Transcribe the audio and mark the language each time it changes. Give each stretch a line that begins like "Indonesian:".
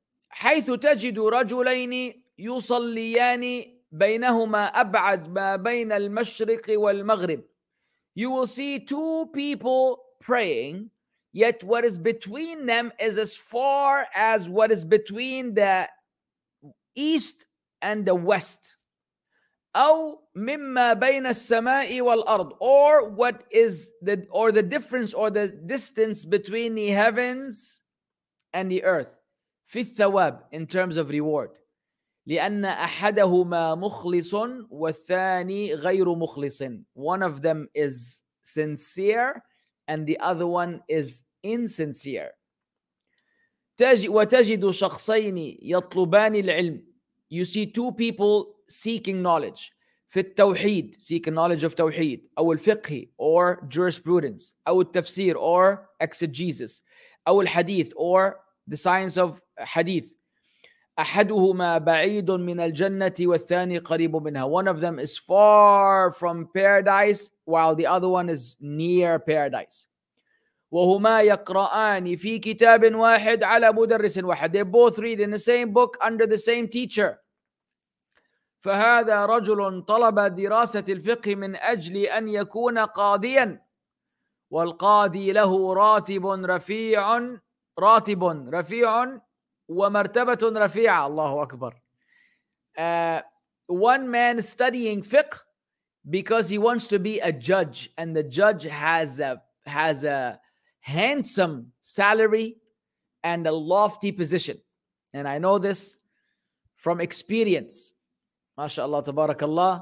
Arabic: حيث تجد رجلين يصليان بينهما أبعد ما بين المشرق والمغرب.
English: You will see two people praying, yet what is between them is as far as what is between the east and the west.
Arabic: أو مما بين السماء والأرض,
English: or what is the, or the difference or the distance between the heavens and the earth.
Arabic: في الثواب,
English: in terms of reward.
Arabic: لأن أحدهما مخلص والثاني غير مخلص.
English: One of them is sincere and the other one is insincere.
Arabic: وتجد شخصين يطلبان العلم.
English: You see two people seeking knowledge.
Arabic: في التوحيد,
English: seeking knowledge of توحيد,
Arabic: أو الفقه,
English: or jurisprudence,
Arabic: أو التفسير,
English: or exegesis,
Arabic: أو الحديث,
English: or the science of hadith.
Arabic: أحدهما بعيد من الجنة والثاني قريب منها.
English: One of them is far from paradise while the other one is near paradise.
Arabic: وهما يقرآن في كتاب واحد على مدرس واحد.
English: They both read in the same book under the same teacher.
Arabic: فهذا رجل طلب دراسة الفقه من أجل أن يكون قاضيا. والقاضي له راتب رفيع, راتب رفيع ومرتبة رفيعة. الله أكبر.
English: One man studying fiqh because he wants to be a judge, and the judge has a handsome salary and a lofty position. And I know this from experience. MashaAllah, tabarakAllah.